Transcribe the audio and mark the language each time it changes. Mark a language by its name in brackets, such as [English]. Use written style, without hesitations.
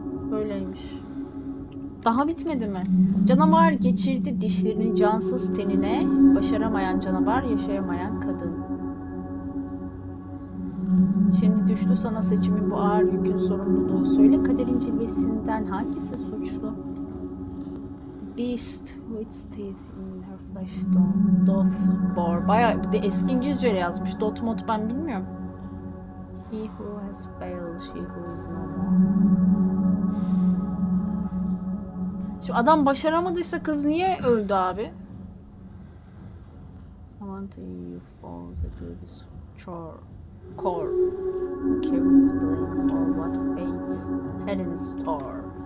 [Turkish] Böyleymiş. Daha bitmedi mi? Canavar geçirdi dişlerini cansız tenine. Başaramayan canavar, yaşayamayan kadın. Şimdi düştü sana seçimin bu ağır yükün sorumluluğu. Söyle, kaderin cilvesinden hangisi suçlu? [English] Beast who it stayed in her flesh doth bore. [Turkish] Bayağı bir de eski İngilizce yazmış. Dot mod ben bilmiyorum. [English] He who has failed, she who is no more. [Turkish] Şu adam başaramadıysa kız niye öldü abi? [English] I want you for the baby's chore. Core. Carries blame for what fate had in store.